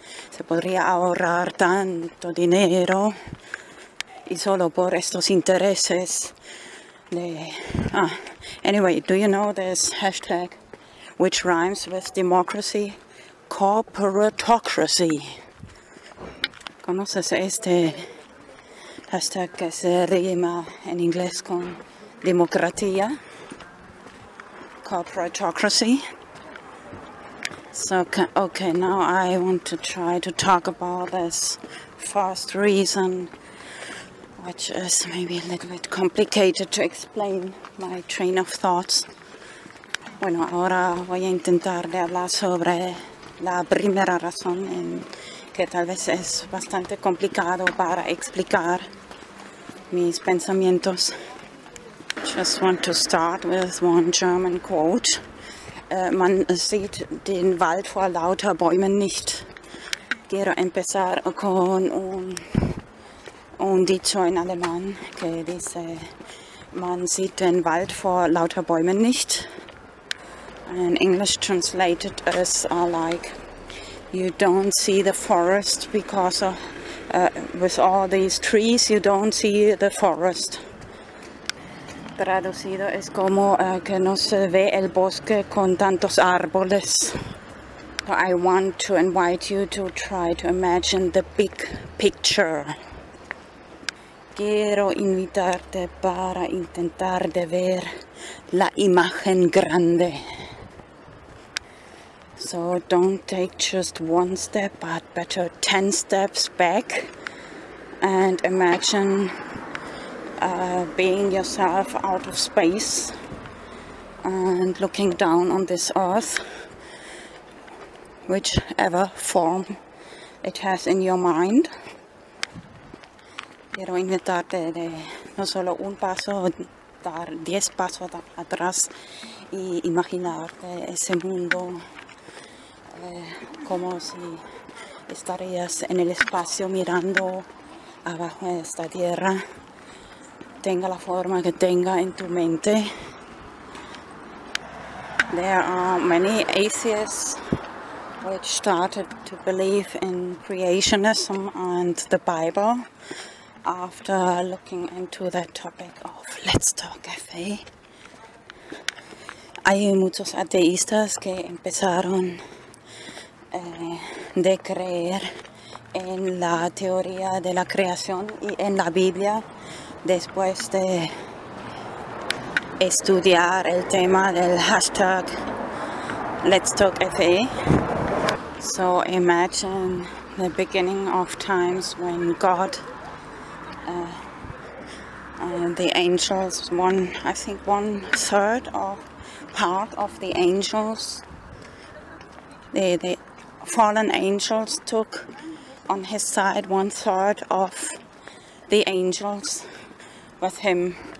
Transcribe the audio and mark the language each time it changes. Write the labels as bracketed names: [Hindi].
[Spanish] Se podría ahorrar tanto dinero y solo por estos intereses de... [English] Anyway, do you know this hashtag which rhymes with democracy? Corporatocracy. [Spanish] ¿Conoces este hashtag que se rima en inglés con democracia? [English] Corporatocracy. So, okay, now I want to try to talk about this first reason, which is maybe a little bit complicated to explain my train of thoughts. [Spanish] Bueno, ahora voy a intentar de hablar sobre la primera razón, en que tal vez es bastante complicado para explicar mis pensamientos. [English] Just want to start with one German quote. [German] Man sieht den Wald vor lauter Bäumen nicht. [Spanish] Quiero empezar con un dicho en alemán que dice: [German] Man sieht den Wald vor lauter Bäumen nicht. [English] In English translated as like: You don't see the forest because of with all these trees, you don't see the forest. [Spanish] Traducido es como que no se ve el bosque con tantos árboles. [English] I want to invite you to try to imagine the big picture. [Spanish] Quiero invitarte para intentar de ver la imagen grande. [English] So don't take just one step, but better 10 steps back and imagine being yourself out of space and looking down on this earth, whichever form it has in your mind. [Spanish] Quiero invitarte de no solo un paso, dar 10 pasos atrás y imaginarte ese mundo como si estarías en el espacio mirando abajo de esta tierra. Tenga la forma que tenga en tu mente. [English] There are many atheists which started to believe in creationism and the Bible after looking into that topic of Let's Talk FA. [Spanish] Hay muchos ateístas que empezaron de creer en la teoría de la creación y en la Biblia después de estudiar el tema del hashtag Let's Talk FA. [English] So imagine the beginning of times when God and the angels, part of the angels, the fallen angels took on his side 1/3 of the angels with him.